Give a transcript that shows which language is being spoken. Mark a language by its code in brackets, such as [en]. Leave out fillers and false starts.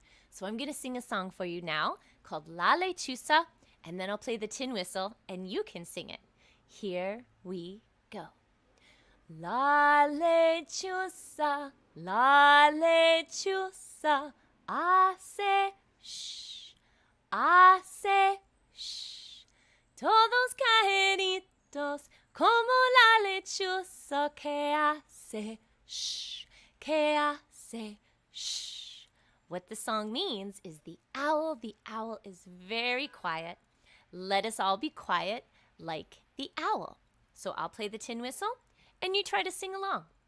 [en] So I'm going to sing a song for you now called La Lechuza, and then I'll play the tin whistle, and you can sing it. Here we go. [es] La Lechuza, La Lechuza, hace shh, hace shh. Todos caeritos como la lechuza que hace shh, que hace shh. [en] What the song means is the owl is very quiet. Let us all be quiet like the owl. So I'll play the tin whistle and you try to sing along.